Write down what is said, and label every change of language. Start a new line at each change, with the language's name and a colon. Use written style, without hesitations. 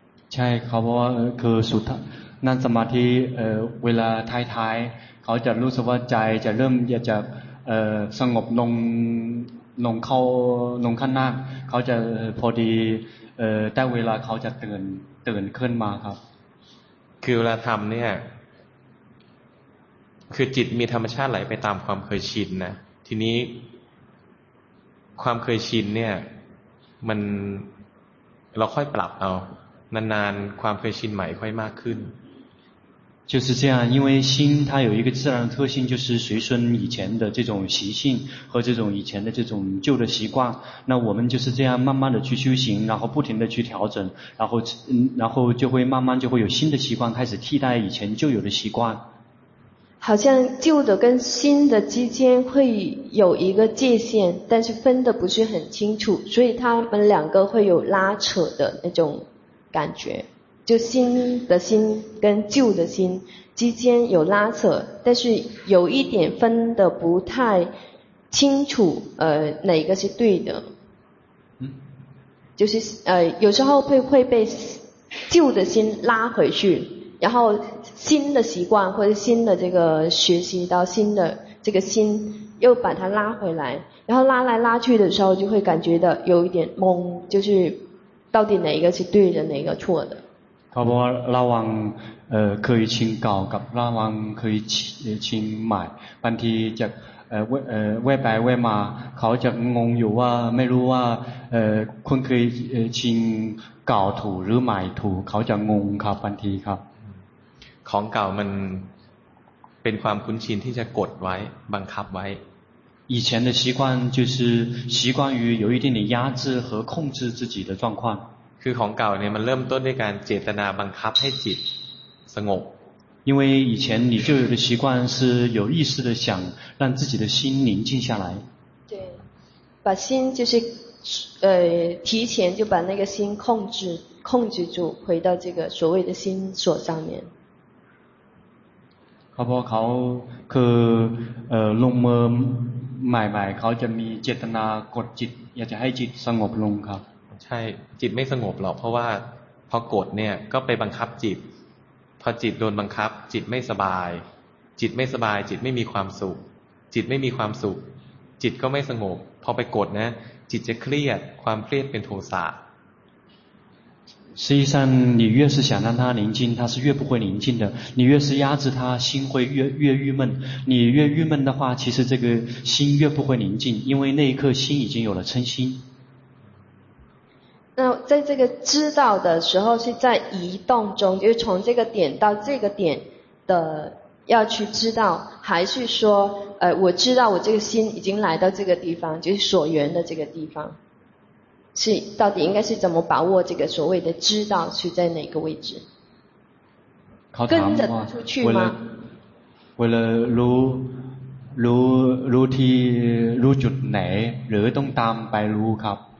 Thai: ใช่เขาบอกว่าคือสุดนั่งสมาธิเวลาท้ายท้ายเขาจะรู้สึกว่าใจจะเริ่มอยากจะสงบลงเข้าลงขั้นหน้าเขาจะพอดีได้เวลาเขาจะตื่นขึ้นมาครับ คือเวลาทำเนี่ยคือจิตมีธรรมชาติไหลไปตามความเคยชินนะทีนี้ความเคยชินเนี่ยมันเราค่อยปรับเอานานๆความเคยชินใหม่ค่อยมากขึ้น
Chinese: 就是这样因为心它有一个自然的特性就是随顺以前的这种习性和这种以前的这种旧的习惯那我们就是这样慢慢的去修行然后不停的去调整然后就会慢慢就会有新的习惯开始替代以前旧有的习惯好像旧的跟新的之间会有一个界限但是分的不是很清楚所以他们两个会有拉扯的那种感觉就新的心跟旧的心之间有拉扯但是有一点分的不太清楚哪个是对的就是有时候会被旧的心拉回去然后新的习惯或者新的这个学习到新的这个心又把它拉回来然后拉来拉去的时候就会感觉到有一点懵就是到底哪一个是对的哪一个错的
Thai: เขาบอกว่าระวังคือชิงเก่ากับระวังคือชิงใหม่บางทีจะแวบไปแวบมาเขาจะงงอยู่ว่าไม่รู้ว่าคุณเคยชิงเก่าถูกหรือใหม่ถูกเขาจะงงครับบางทีครับ ของเก่ามันเป็นความคุ้นชินที่จะกดไว้บังคับไว้
Chinese: 以前的习惯就是习惯于有一点点压制和控制自己的状况
Thai: คือของเก่าเนี่ยมันเริ่มต้นด้วยการเจตนาบังคับให้จิตสงบ
Chinese: 因为以前你就有的习惯是有意识的想让自己的心宁静下来对把心就是提前就把那个心控制住回到这个所谓的心所上面
Thai: เขาบอกเขาคือลงมือใหม่ๆเขาจะมีเจตนากดจิตอยากจะให้จิตสงบลงครับ ใช่จิตไม่สงบหรอกเพราะว่าพอกดเนี่ยก็ไปบังคับจิตพอจิตโดนบังคับจิตไม่สบายจิตไม่สบายจิตไม่มีความสุขจิตไม่มีความสุข จิตก็ไม่สงบพอไปกดนะจิตจะเครียดความเครียดเป็นโทสะ
Chinese: 实际上你越是想让他宁静他是越不会宁静的你越是压制他心会 越郁闷你越郁闷的话其实这个心越不会宁静因为那一刻心已经有了嗔心那在这个知道的时候是在移动中就是从这个点到这个点的要去知道还是说我知道我这个心已经来到这个地方就是所缘的这个地方是到底应该是怎么把握这个所谓的知道是在哪个位置靠跟着出去吗为了
Thai: รู้ที่รู้จุดไหนหรือต้องตามไปรู้ครับ